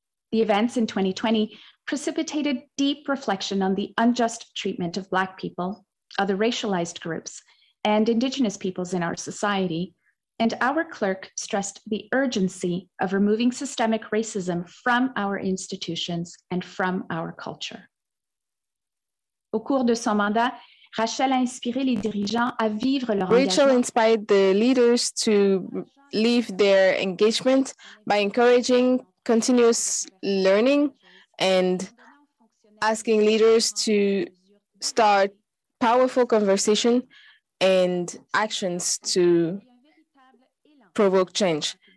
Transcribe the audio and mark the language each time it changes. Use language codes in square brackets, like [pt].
[en] The events in 2020 precipitated deep reflection on the unjust treatment of Black people, other racialized groups, and Indigenous peoples in our society, and our clerk stressed the urgency of removing systemic racism from our institutions and from our culture. [fr] Au cours de son mandat, Rachel a inspiré les dirigeants à vivre leur engagement. [en] Rachel inspired the leaders to live their engagement by encouraging continuous learning and asking leaders to start powerful conversation and actions to provoke change.